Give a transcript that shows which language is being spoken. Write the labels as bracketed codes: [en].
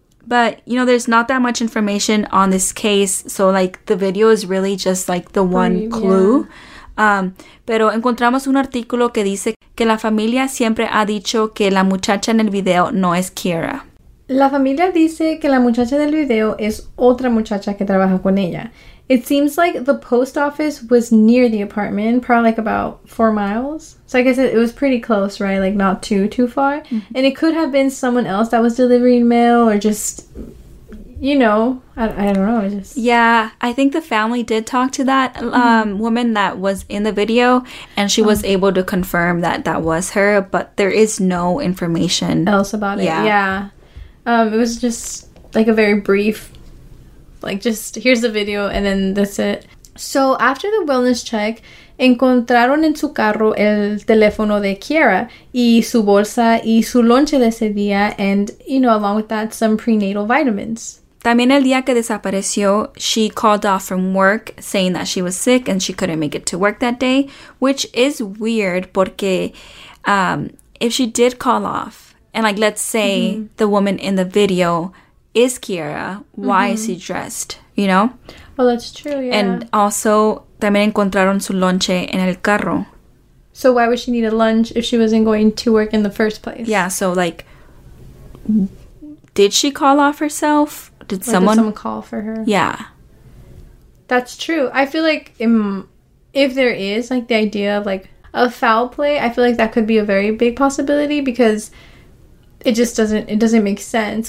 [en] But, you know, there's not that much information on this case. So, like, the video is really just, like, the one clue. Yeah. [es] Pero encontramos un artículo que dice que la familia siempre ha dicho que la muchacha en el video no es Kiara. La familia dice que la muchacha del video es otra muchacha que trabaja con ella. [en] It seems like the post office was near the apartment, probably like about 4 miles. So I guess it was pretty close, right? Like not too far. Mm-hmm. And it could have been someone else that was delivering mail or just, you know, I don't know. Just yeah, I think the family did talk to that woman that was in the video and she was able to confirm that that was her. But there is no information else about it. Yeah. It was just like a very brief, like, just, here's the video, and then that's it. So, after the wellness check, [es] encontraron en su carro el teléfono de Kiara, y su bolsa, y su lonche de ese día, [en] and, you know, along with that, some prenatal vitamins. [es] También el día que desapareció, [en] she called off from work, saying that she was sick, and she couldn't make it to work that day, which is weird, [es] porque [en] if she did call off, and, like, let's say the woman in the video is Kiara, why is she dressed, you know? Well, that's true, yeah. And also, [es] también encontraron su lonche en el carro. [en] So why would she need a lunch if she wasn't going to work in the first place? Yeah, so like, did she call off herself? Did, or someone, did someone call for her? Yeah. That's true. I feel like if there is, like, the idea of, like, a foul play, I feel like that could be a very big possibility because it just doesn't, it doesn't make sense.